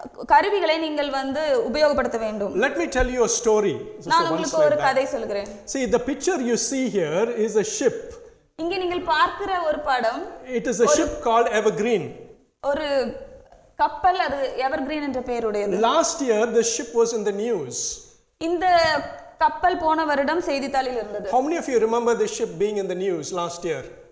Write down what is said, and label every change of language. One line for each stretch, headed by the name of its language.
Tamil: கருவிகளை நீங்கள் வந்து உபயோகப்படுத்த வேண்டும்.
English: Let me tell you a story.
Tamil: நான் உங்களுக்கு ஒரு கதை சொல்கிறேன்.
English: See, the picture you see here is a ship.
Tamil: இங்க நீங்கள் பார்க்கிற ஒரு படம்.
English: It is a ship called Evergreen.
Tamil: ஒரு கப்பல் அது Evergreen என்ற பெயருடையது.
English: Last year the ship was in the news.
Tamil: இந்த கப்பல் போன வருடம் செய்தித்தாளில் இருந்தது.
English: How many of you remember this ship being in the news last year?